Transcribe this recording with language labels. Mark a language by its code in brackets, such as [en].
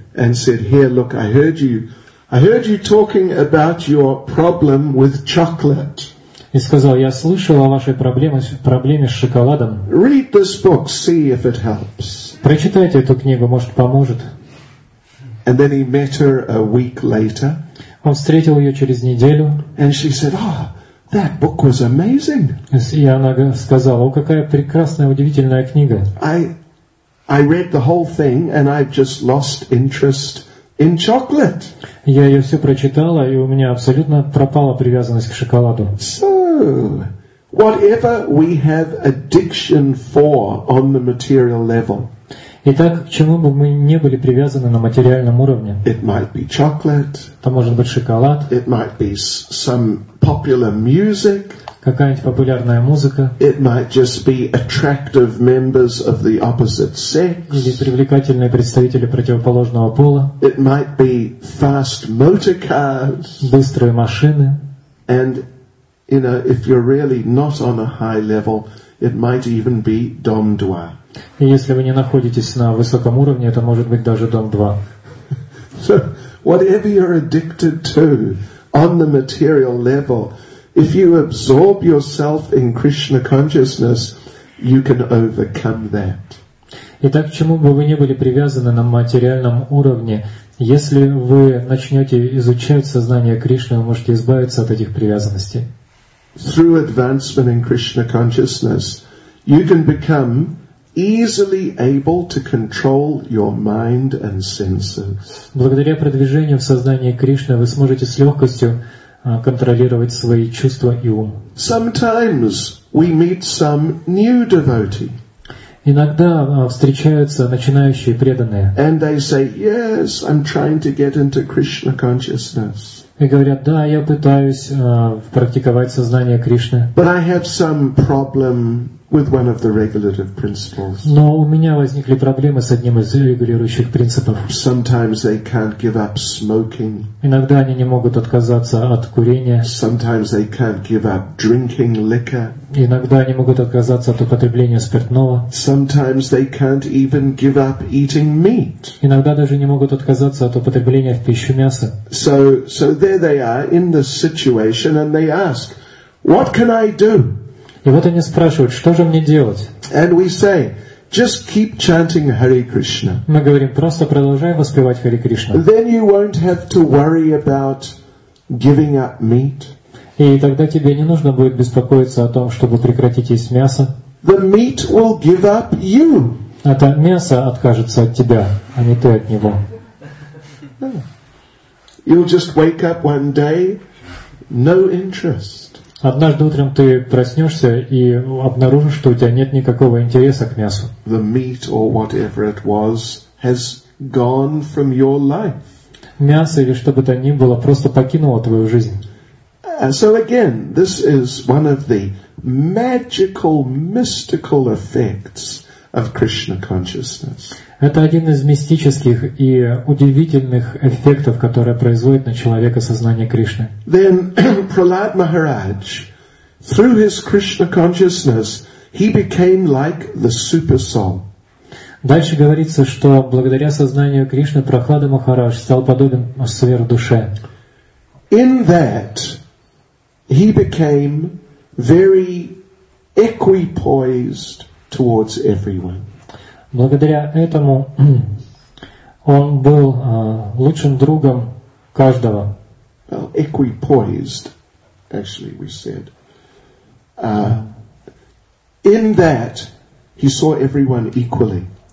[en] And said, "Here, look, I heard you talking about your problem with chocolate." [ru] И сказал: "Я слышал о вашей проблеме с шоколадом." [en] Read this book, see if it helps. [ru] Прочитайте эту книгу, может, поможет. [en] And then he met her a week later. [ru] Он встретил ее через неделю. [en] And she said, "Oh, that book was amazing." [ru] И она сказала: "О, какая прекрасная, удивительная книга." [en] I read the whole thing and I've just lost interest in chocolate. [ru] Я ее все прочитала, и у меня абсолютно пропала привязанность к шоколаду. [en] So, whatever we have addiction for on the material level. [ru] Итак, к чему бы мы не были привязаны на материальном уровне? [en] It might be chocolate. [ru] Это может быть шоколад. [en] It might be some popular music. [ru] Какая-нибудь популярная музыка. [en] It might just be attractive members of the opposite sex. [ru] Или привлекательные представители противоположного пола. [en] It might be fast motor cars. [ru] Быстрые машины. [en] And, you know, if you're really not on a high level, it might even be Dom 2. [ru] И если вы не находитесь на высоком уровне, это может быть даже Дом 2. [en] So, whatever you're addicted to on the material level, if you absorb yourself in Krishna consciousness, you can overcome that. [ru] Итак, к чему бы вы ни были привязаны на материальном уровне, если вы начнете изучать сознание Кришны, вы можете избавиться от этих привязанностей. [en] Through advancement in Krishna consciousness, you can become easily able to control your mind and senses. [ru] Благодаря продвижению в сознании Кришны вы сможете с легкостью контролировать свои чувства и ум. [en] Sometimes we meet some new devotee. [ru] Иногда встречаются начинающие преданные. [en] And they say, "Yes, I'm trying to get into Krishna consciousness." [ru] И говорят: "Да, я пытаюсь практиковать сознание Кришны." [en] But I have some problem with one of the regulative principles. [ru] Но у меня возникли проблемы с одним из регулирующих принципов. [en] Sometimes they can't give up smoking. [ru] Иногда они не могут отказаться от курения. [en] Sometimes they can't give up drinking liquor. [ru] Иногда они могут отказаться от употребления спиртного. [en] Sometimes they can't even give up eating meat. [ru] Иногда даже не могут отказаться от употребления в пищу мяса. [en] So there they are in this situation and they ask, "What can I do?" [ru] И вот они спрашивают: "Что же мне делать?" [en] And we say, "Just keep chanting Hare Krishna." [ru] Мы говорим: "Просто продолжай воспевать Хари Кришна." [en] Then you won't have to worry about giving up meat. [ru] И тогда тебе не нужно будет беспокоиться о том, чтобы прекратить есть мясо. [en] The meat will give up you. [ru] Это мясо откажется от тебя, а не ты от него. [en] You'll just wake up one day, no interest. [ru] Однажды утром ты проснешься и обнаружишь, что у тебя нет никакого интереса к мясу. [en] The meat or whatever it was has gone from your life. [ru] Мясо или что бы то ни было просто покинуло твою жизнь. [en] And so again, this is one of the magical, mystical effects of Krishna consciousness. [ru] Это один из мистических и удивительных эффектов, которые производит на человека сознание Кришны. [en] Then Prahlad Maharaj, through his Krishna consciousness, he became like the super soul. [ru] Дальше говорится, что благодаря сознанию Кришны Прахлада Махарадж стал подобен сверхдуше. [en] In that he became very equipoised towards everyone. [ru] Благодаря этому он был лучшим другом каждого. [en] Well, equipoised, actually we said. In that, he saw everyone equally.